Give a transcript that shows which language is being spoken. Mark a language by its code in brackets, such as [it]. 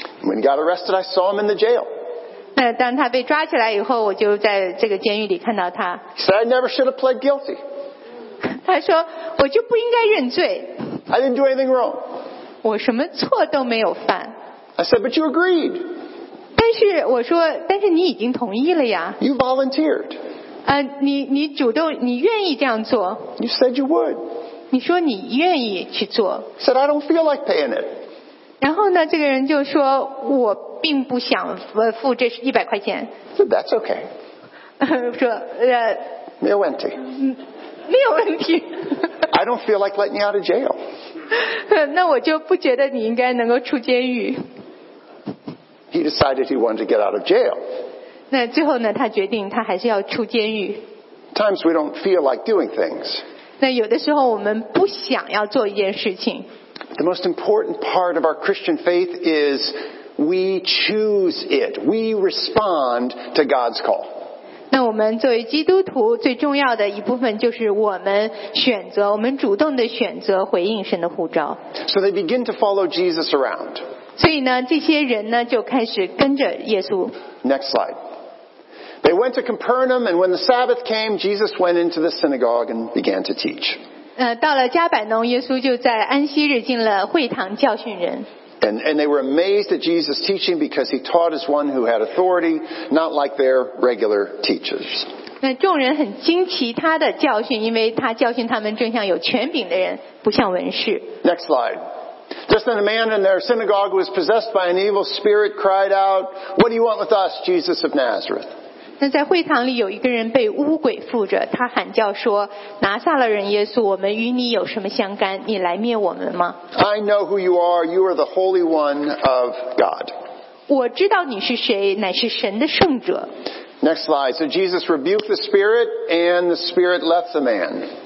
[en] When he got arrested, I saw him in the jail. [zh] 那当他被抓起来以后，我就在这个监狱里看到他。 [en] He said, "I never should have pled guilty." [zh] 他说，我就不应该认罪。 [en] I didn't do anything wrong. [zh] 我什么错都没有犯。 [en] I said, "But you agreed." [zh] 但是我说，但是你已经同意了呀。 [en] You volunteered. [zh] 你主动，你愿意这样做。 [en] You said you would. [zh] 你说你愿意去做。 [en] Said I don't feel like paying it. [zh] 然后呢，这个人就说我并不想付这100块钱。 [en] Said that's okay. [zh] 说没有问题。没有问题。 [en] I don't feel like letting you out of jail. [zh] 那我就不觉得你应该能够出监狱。 [en] He decided he wanted to get out of jail. [zh] 那最后呢，他决定他还是要出监狱。 [en] Times we don't feel like doing things. [zh] 那有的时候我们不想要做一件事情。 [en] The most important part of our Christian faith is we choose it. We respond to God's call. [zh] 那我们作为基督徒最重要的一部分就是我们选择，我们主动的选择回应神的呼召。 [en] So they begin to follow Jesus around. [zh] 所以呢，这些人呢就开始跟着耶稣。 [en] Next slide. They went to Capernaum, and when the Sabbath came, Jesus went into the synagogue and began to teach. [zh] 到了加百农，耶稣就在安息日进了会堂教训人。 [en] And they were amazed at Jesus' teaching because he taught as one who had authority, not like their regular teachers. [zh] 那众人很惊奇他的教训，因为他教训他们正像有权柄的人，不像文士。 [en] Next slide. Just then a man in their synagogue was possessed by an evil spirit, cried out, "What do you want with us, Jesus of Nazareth?" [zh] 那在会堂里有一个人被巫鬼附着，他喊叫说，拿撒勒人耶稣，我们与你有什么相干？你来灭我们吗？ [en] I know who you are. You are the Holy One of God. [zh] 我知道你是谁，乃是神的圣者。 [en] Next slide. So Jesus rebuked the spirit, and the spirit left the man.